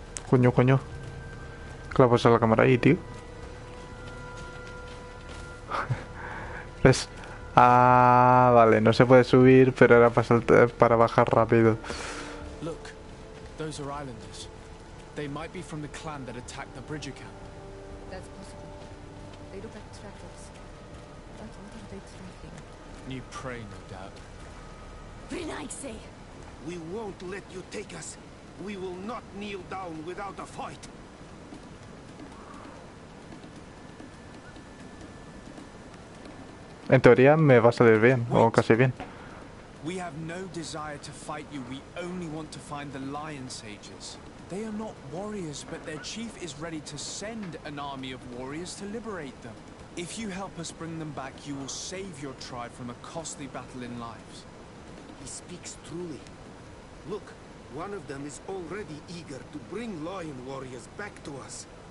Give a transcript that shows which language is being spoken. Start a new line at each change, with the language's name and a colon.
Spanish: Coño, coño. Clavos a la cámara ahí, tío. ¿Ves? Ah, vale, no se puede subir, pero era para saltar, para bajar rápido.
English: Look, those are islanders. They might be from the clan that attacked the Bridger camp. That's possible. They look like trackers. But what are they tracking? New prey, no doubt. Vrinaikse! We won't let you take us. We will not kneel down without a fight.
Spanish: En teoría me va a salir bien, o casi bien.
English: We have no desire to fight you. We only want to find the Lion Sages. They are not warriors, but their chief is ready to send an army of warriors to liberate them. If you help us bring them back, you will save your tribe from a costly battle in lives. He speaks truly. Look, one of them is already eager to bring Lion warriors back to us.